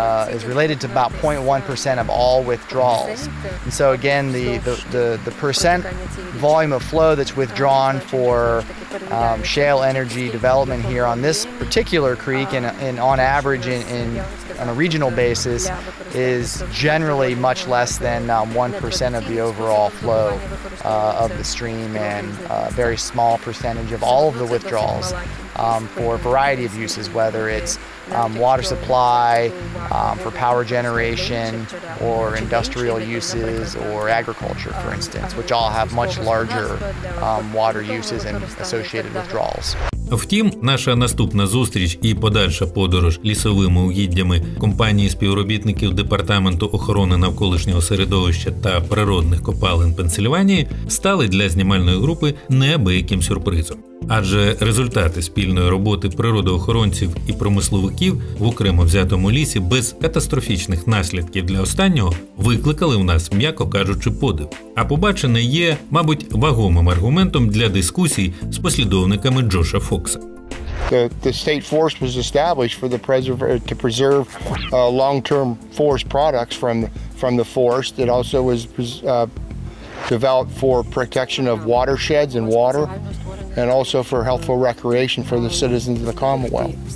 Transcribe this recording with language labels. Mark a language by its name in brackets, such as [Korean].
[English] is related to about 0.1% of all withdrawals. And so again, the percent volume of flow that's withdrawn for shale energy development here on this particular creek, and on average in on a regional basis, is generally much less than 1% of the overall flow of the stream, and a very small percentage of all of the withdrawals for a variety of uses, whether it's water supply, for power generation, or industrial uses, or agriculture, for instance, which all have much larger water uses and associated withdrawals. [Ukrainian] Втім, наша наступна зустріч і подальша подорож лісовими угіддями компанії співробітників Департаменту охорони навколишнього середовища та природних копалин Пенсильванії стали для знімальної групи неабияким сюрпризом. Адже результати спільної роботи природоохоронців і промисловиків в окремо взятому лісі без катастрофічних наслідків для останнього викликали в нас, м'яко кажучи, подив. А побачене є, мабуть, вагомим аргументом для дискусій з послідовниками Джоша Фокса. [English] The state forest was established for the to preserve long-term forest products from the forest. It also was developed for protection of watersheds and water, and also for healthful recreation for the citizens of the Commonwealth.